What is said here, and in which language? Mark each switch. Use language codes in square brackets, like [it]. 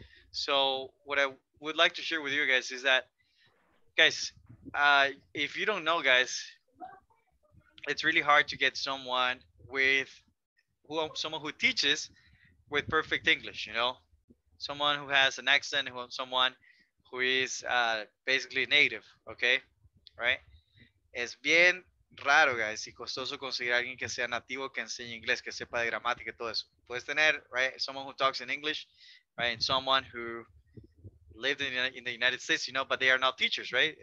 [en] So what I would like to share with you guys is that, guys, if you don't know, guys, it's really hard to get someone who teaches with perfect English, you know, someone who has an accent, someone who is basically native, okay, right? [es] Es bien raro, guys, y costoso conseguir a alguien que sea nativo, que enseñe inglés, que sepa de gramática y todo eso. Puedes tener, [en] right, someone who talks in English, right, and someone who lived in the United States, you know, but they are not teachers, right?